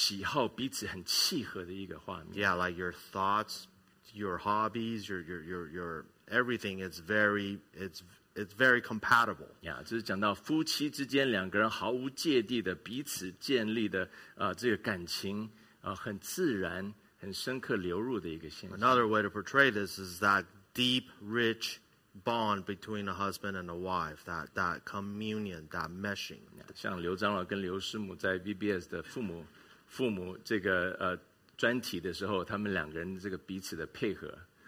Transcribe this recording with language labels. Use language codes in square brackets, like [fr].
[zh] 这个喜好彼此很契合的一个画面。 [en] Yeah, like your thoughts, your hobbies, your everything. It's very compatible. Yeah, [zh] 这是讲到夫妻之间两个人毫无芥蒂的彼此建立的这个感情很自然、很深刻流入的一个现象。 [en] Another way to portray this is that deep, rich bond between a husband and a wife, that communion, that meshing. [zh] 像刘长老跟刘师母在 VBS 的父母这个专题的时候，他们两个人这个彼此的配合。